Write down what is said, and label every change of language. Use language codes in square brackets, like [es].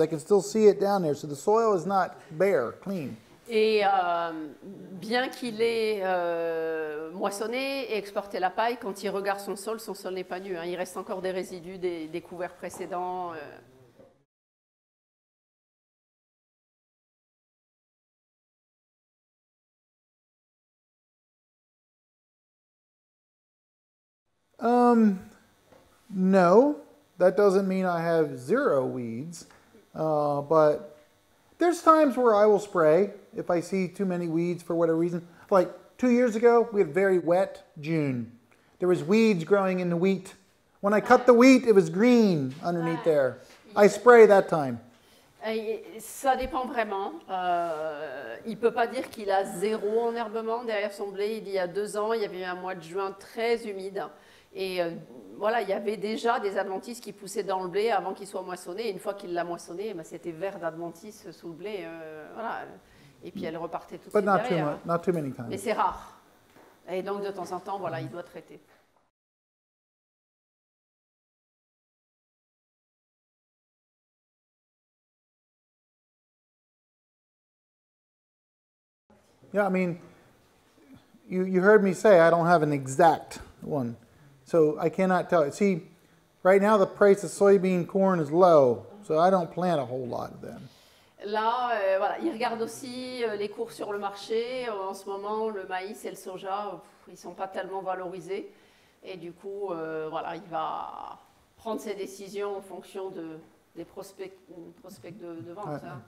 [en] I can still see it down there. So the soil is not bare, clean. [fr] Et bien qu'il ait moissonné et exporté la paille, quand il regarde son sol n'est pas nu. Hein. Il reste encore des résidus des couverts précédents. [en] No, that doesn't mean I have zero weeds, but there's times where I will spray if I see too many weeds for whatever reason. Like 2 years ago, we had very wet June. There was weeds growing in the wheat. When I cut the wheat, it was green underneath there. I spray that time. [fr] Ça dépend vraiment. Il ne peut pas dire qu'il a zéro enherbement derrière son blé. Il y a 2 ans, il y avait eu un mois de juin très humide. Et voilà, il y avait déjà des adventices qui poussaient dans le blé avant qu'il soit moissonné. Et une fois qu'il l'a moissonné, ben, c'était vert d'adventices sous le blé. Voilà. Et puis elle repartait tout de suite derrière. [en] But not too many times. [fr] Mais c'est rare. Et donc de temps en temps, voilà, il doit traiter. [en] Yeah, I mean, you heard me say I don't have an exact one, so I cannot tell you. See, right now the price of soybean corn is low, so I don't plant a whole lot of them. [fr] Là, voilà, il regarde aussi les cours sur le marché. En ce moment, le maïs et le soja, ils sont pas tellement valorisés, et du coup, voilà, il va prendre ses décisions en fonction de des prospects de vente.